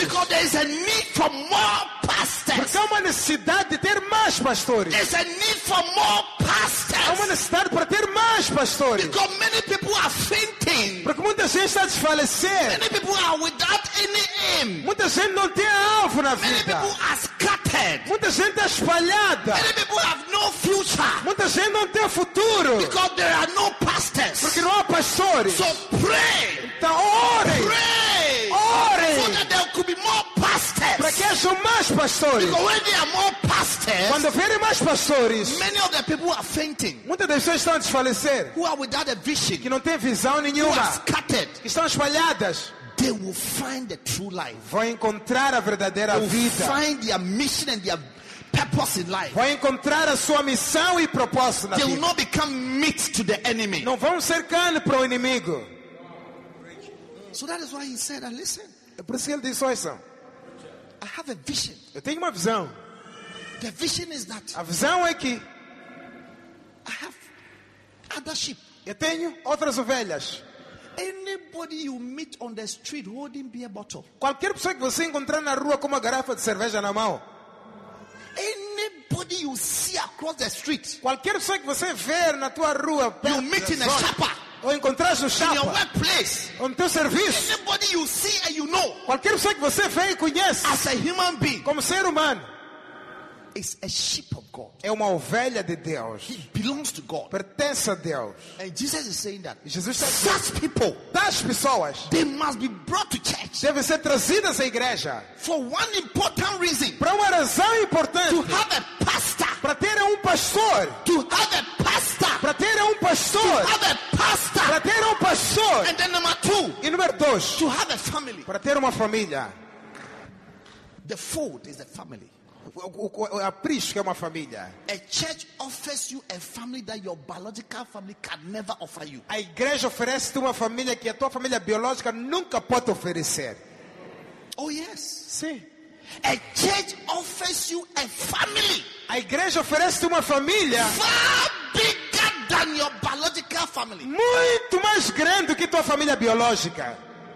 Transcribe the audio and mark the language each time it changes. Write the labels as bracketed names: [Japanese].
[English] Because there is a need for more pastors. [Portuguese] Porque há uma necessidade de ter mais pastores. [English] There is a need for more pastors. [Portuguese] Há uma necessidade para ter mais pastores. [English] Because many people are fainting. [Portuguese] Porque muita gente está a desfalecer. [English] Many people are without any aim. [Portuguese] Muita gente não tem alvo na vida. [English] Many people are scattered. [Portuguese] Muita gente está espalhada. [English] Many people have no future. [Portuguese] Muita gente não tem futuro. [English] Because there are no pastors. [Portuguese] Porque não há pastores. [English] So pray. [Portuguese] Então ore. [English] Pray. [Portuguese] Ore. [English] So that there could be more pastors. [Portuguese] Para que haja mais pastores. [English] Because when there are more pastors. [Portuguese] Quando houver mais pastores. [English] Many of the people are fainting. [Portuguese] Muitas pessoas estão a desfalecer. [English] Who are without a vision. [Portuguese] Que não tem visão nenhuma. [English] Who are scattered. [Portuguese] Que estão espalhadas. [English] They will find the true life. [Portuguese] Vão encontrar a verdadeira [English] they will [Portuguese] vida. [English] Find their mission and their purpose in life. [Portuguese] Vão encontrar a sua missão e propósito na [English] they [Portuguese] vida. [English] Will not become meat to the enemy. [Portuguese] Não vão ser carne para o inimigo. [English] So that is why he said, and listen. [Portuguese] É por isso que ele disse, olha, [English] I have a vision. [Portuguese] Eu tenho uma visão. [English] The vision is that [Portuguese] a visão é que [English] I have other sheep. [Portuguese] Eu tenho outras ovelhas. [English] Anybody you meet on the street holding beer bottle. [Portuguese] Qualquer pessoa que você encontrar na rua com uma garrafa de cerveja na mão. [English] Anybody you see across the street. [Portuguese] Qualquer pessoa que você ver na tua rua. [English] You meet in a chapa. [Portuguese] Ou encontrar no chapa. [English] In your workplace. [Portuguese] Ou no teu serviço. [English] Anybody you see and you know. [Portuguese] Qualquer pessoa que você vê e conhece. [English] As a human being. [Portuguese] Como ser humano. [English] Is a sheep of God. [Portuguese] É uma ovelha de Deus. [English] He belongs to God. [Portuguese] Pertence a Deus. [English] And Jesus is saying that. [Portuguese] Jesus [English] says, such people. [Portuguese] Tais pessoas. [English] They must be brought to church. [Portuguese] Devem ser trazidas à igreja. [English] For one important reason. [Portuguese] Para uma razão importante. [English] To have a pastor. [Portuguese] Para ter um pastor. [English] To have a pastor. [Portuguese] Para ter um pastor. [English] To have a pastor. [Portuguese] Para ter um pastor. [English] And then number two. [Portuguese] E número dois. [English] To have a family. [Portuguese] Para ter uma família. [English] The fold is the family. [Portuguese] A prisca é uma família. [English] A church offers you a family that your biological family can never offer you. [Portuguese] A igreja oferece-te uma família que a tua família biológica nunca pode oferecer. [English] Oh yes. [Portuguese] Sim. [English] A church offers you a family. [Portuguese] A igreja oferece-te uma família [English] far bigger than your biological family. [Portuguese] Muito mais grande do que tua família biológica.